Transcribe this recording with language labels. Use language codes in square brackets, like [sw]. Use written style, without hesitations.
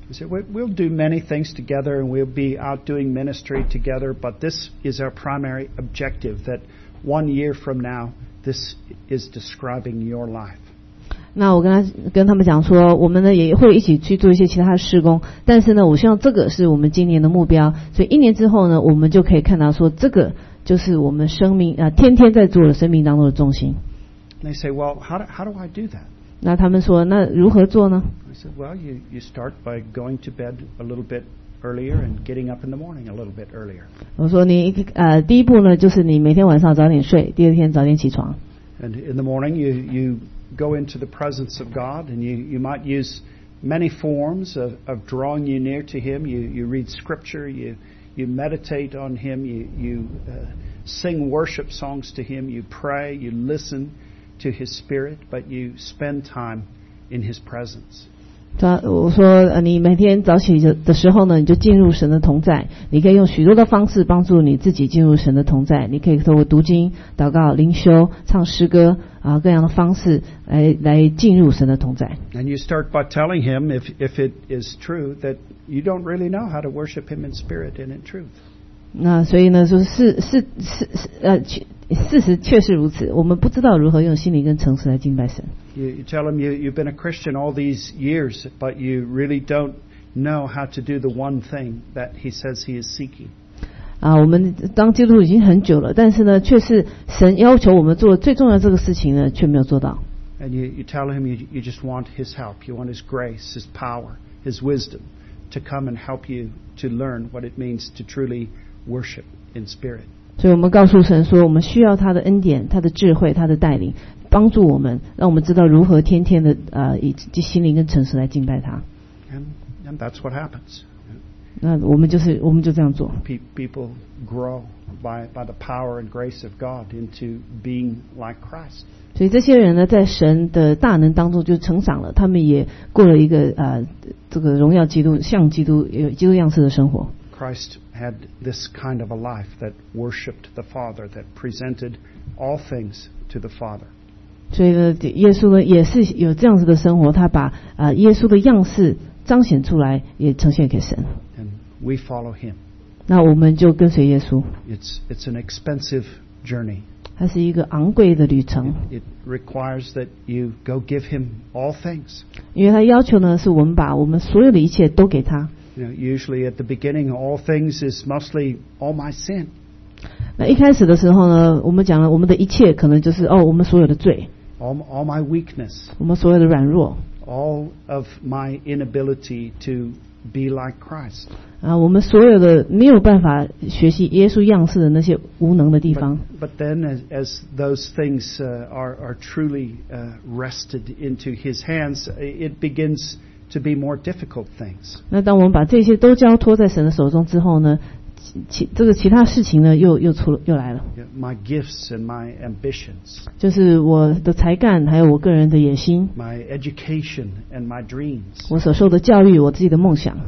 [en] He said, we'll do many things together and we'll be out doing ministry together, but this is our primary objective that one year from now, this is describing your life. [zh] 那我跟他们讲说，我们呢也会一起去做一些其他的事工，但是呢，我希望这个是我们今年的目标，所以一年之后呢，我们就可以看到说，这个就是我们生命啊，天天在做的生命当中的重心。 [en] They say, well, how do I do that? [zh] 那他们说，那如何做呢 [en] ？I said, well, you start by going to bed a little bit earlier and getting up in the morning a little bit earlier. [zh] 我说你第一步呢，就是你每天晚上早点睡，第二天早点起床。 [en] And in the morning, you go into the presence of God, and you might use many forms of drawing you near to Him. You read Scripture, you meditate on Him, you sing worship songs to Him, you pray, you listen to His Spirit, but you spend time in His presence. [zh] 我说你每天早起的时候呢，你就进入神的同在，你可以用许多的方式帮助你自己进入神的同在，你可以透过读经、祷告、灵修、唱诗歌啊，各样的方式来进入神的同在。 [en] And you start by telling him if it is true that you don't really know how to worship him in spirit and in truth. [zh] 那所以呢，就事实确实如此，我们不知道如何用心灵跟诚实来敬拜神。 [en] You tell him you've been a Christian all these years, but you really don't know how to do the one thing that he says he is seeking. [zh] 啊，我们当基督徒已经很久了，但是呢，却是神要求我们做最重要的这个事情呢，却没有做到。 [en] And you tell him you just want his help, you want his grace, his power, his wisdom to come and help you to learn what it means to truly worship in spirit. [zh] 所以我们告诉神说，我们需要他的恩典、他的智慧、他的带领，帮助我们，让我们知道如何天天的以心灵跟诚实来敬拜他。 [en] And that's what happens. [zh] 那我们就这样做。 [en] People grow by the power and grace of God into being like Christ. [zh] 所以这些人呢，在神的大能当中就成长了，他们也过了一个这个荣耀基督、像基督、有基督样式的生活。 [en] Christ had this kind of a life that worshipped the Father, that presented all things to the Father. [zh] 所以呢，耶稣呢也是有这样子的生活，他把耶稣的样式彰显出来，也呈现给神。 [en] And we follow him. [zh] 那我们就跟随耶稣。 [en] It's an expensive journey. [zh] 它是一个昂贵的旅程。 [en] It requires that you go give him all things. [zh] 因为他要求呢，是我们把我们所有的一切都给他。 [en] You know, usually at the beginning, all things is mostly all my sin. [zh] 那一开始的时候呢，我们讲了我们的一切可能就是哦，我们所有的罪。 [en] All my weakness. [zh] 我们所有的软弱。 [en] All of my inability to be like Christ. [zh] 啊，我们所有的没有办法学习耶稣样式的那些无能的地方。 [en] But then, as those things are truly rested into His hands, it begins. To be more difficult things. [zh] 那当我们把这些都交托在神的手中之后呢，其他事情呢又来了。 [en] Yeah, my gifts and my ambitions. [zh] 就是我的才干，还有我个人的野心。 [en] My education and my dreams. [zh] 我所受的教育，我自己的梦想。